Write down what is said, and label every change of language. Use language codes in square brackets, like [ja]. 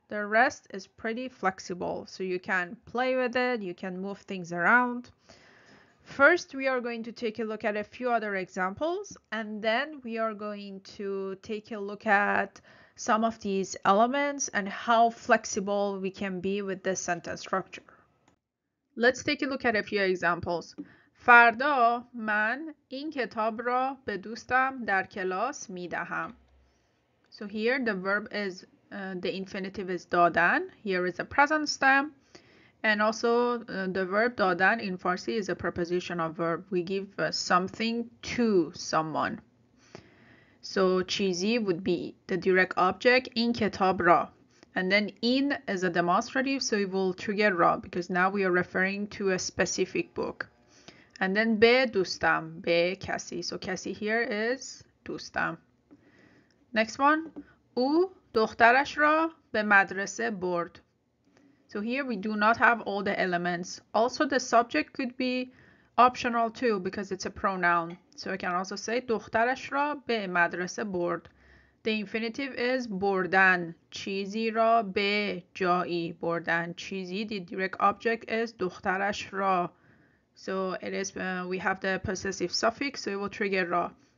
[en] The rest is pretty flexible. So you can play with it. You can move things around. First, we are going to take a look at a few other examples, and then we are going to take a look at some of these elements and how flexible we can be with the sentence structure. Let's take a look at a few examples. [fa] فردا من این کتاب را به دوستم در کلاس می‌دهم. [en] So here the verb is the infinitive is دادن. Here is a present stem. And also the verb دادن in Farsi is a preposition of verb. We give something to someone. So چیزی would be the direct object [fa] این کتاب را. [en] And then این is a demonstrative, so it will trigger را because now we are referring to a specific book. And then [fa] به دوستم, به کسی. [en] So کسی here is دوستم. Next one. [fa] او دخترش را به مدرسه برد. [en] So here we do not have all the elements. Also the subject could be optional too because it's a pronoun. So I can also say [fa] دخترش را به مدرسه برد. [en] The infinitive is [fa] بردن. چیزی را به جایی بردن. [en] چیزی, the direct object is [fa] دخترش را. [en] So it is we have the possessive suffix, so it will trigger را.